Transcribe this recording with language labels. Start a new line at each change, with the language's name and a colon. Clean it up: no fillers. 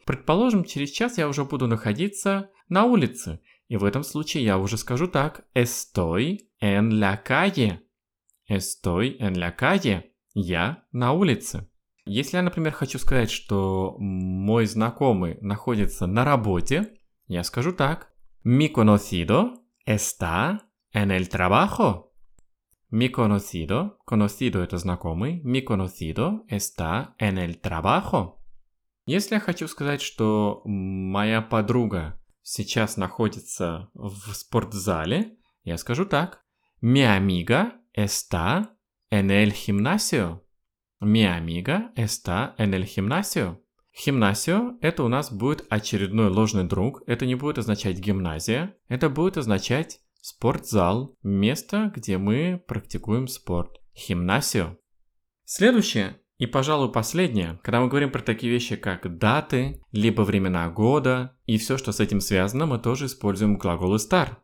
Russian: Предположим, через час я уже буду находиться на улице. И в этом случае я уже скажу так.
Spanish: Estoy en la calle. Estoy en la calle.
Russian: Я на улице. Если я, например, хочу сказать, что мой знакомый находится на работе, я скажу так.
Spanish: Mi conocido está en el trabajo. Mi conocido, conocido это знакомый, mi conocido está en el trabajo.
Russian: Если я хочу сказать, что моя подруга сейчас находится в спортзале, я скажу так.
Spanish: Mi amiga está en el gimnasio. Mi amiga está en el gimnasio.
Russian: Gimnasio – это у нас будет очередной ложный друг. Это не будет означать гимназия. Это будет означать спортзал, место, где мы практикуем спорт.
Spanish: Gimnasio.
Russian: Следующее и, пожалуй, последнее. Когда мы говорим про такие вещи, как даты, либо времена года и все, что с этим связано, мы тоже используем глагол estar.